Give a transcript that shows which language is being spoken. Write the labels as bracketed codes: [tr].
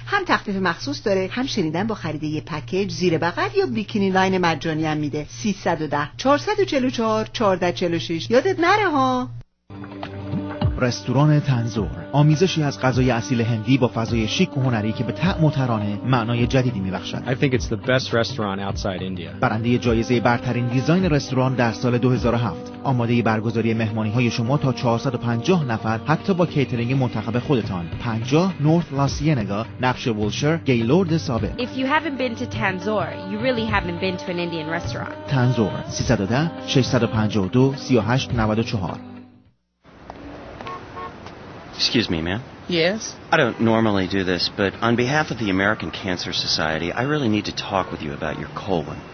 [fa] هم تخفیف مخصوص داره، هم شنیدن با خرید یه پکیج زیر بغل یا بیکینی لاین مجانی هم میده. 310-444-1446 یادت نره ها. رستوران تنزور، آمیزشی از غذای اصیل هندی با فضای شیک و هنری که به طعم و ترانه معنای جدیدی می‌بخشد. [en] I think it's the best restaurant outside India. [fa] برنده جایزه برترین دیزاین رستوران در سال 2007، آماده برگزاری مهمانی‌های شما تا 450 نفر حتی با کیترینگ منتخب خودتان. 50 نورث لاسینگا، نقش ولشر، گیلورد سابق. [en] If you haven't been to Tanzor, you really haven't been to an Indian restaurant. [fa] تنزور 310-652-3894. [en] Excuse me, ma'am. Yes? I don't normally do this, but on behalf of the American Cancer Society, I really need to talk with you about your colon.